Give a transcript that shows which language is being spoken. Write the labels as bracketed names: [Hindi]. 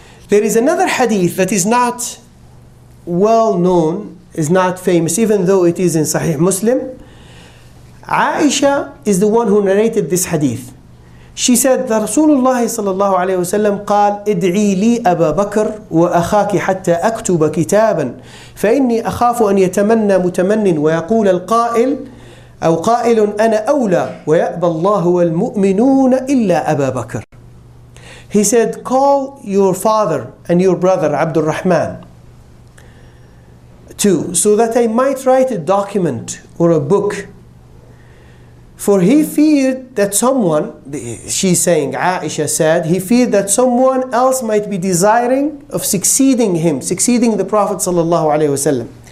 [English] There is another hadith that is not well known, is not famous, even though it is in Sahih Muslim. Aisha is the one who narrated this hadith. She said that Rasulullah sallallahu alayhi wa sallam [Arabic] قال ادعي لي أبا بكر وأخاك حتى أكتب كتابا فإني أخاف أن يتمنى متمن ويقول القائل أو قائل أنا أولى ويأبى الله والمؤمنون إلا أبا بكر. [English] He said, call your father and your brother Abdul Rahman too, so that I might write a document or a book. For he feared that someone, she's saying, Aisha said, he feared that someone else might be desiring of succeeding him, succeeding the Prophet sallallahu alaihi wasallam.